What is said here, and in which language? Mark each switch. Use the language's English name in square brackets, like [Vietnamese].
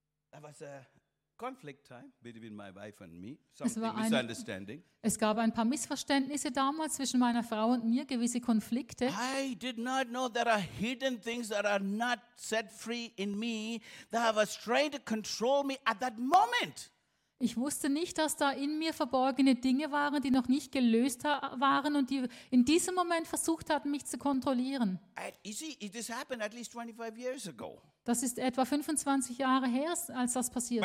[English] That was a conflict time between my wife and me. Something misunderstanding. [German] Es gab ein paar Missverständnisse damals zwischen meiner Frau und mir, gewisse Konflikte. [English] I did not know there are hidden things that are not set free in me that have a strain to control me at that moment. [German] Ich wusste nicht, dass da in mir verborgene Dinge waren, die noch nicht gelöst waren und die in diesem Moment versucht hatten, mich zu kontrollieren. [English] This happened at least 25 years ago. [German] Das ist etwa 25 Jahre her, als das passiert